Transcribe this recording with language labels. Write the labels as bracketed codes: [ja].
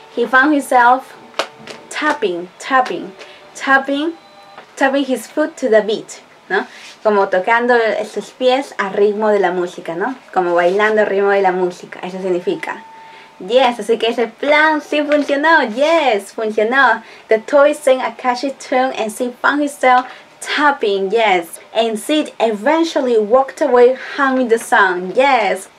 [en] He found himself tapping his foot to the beat, ¿no? [es] Como tocando sus pies al ritmo de la música, ¿no? Como bailando al ritmo de la música, eso significa. Yes, así que ese plan sí funcionó, yes, funcionó. [en] The toy sang a catchy tune and Sid found himself tapping, yes. And Sid eventually walked away humming the song, yes.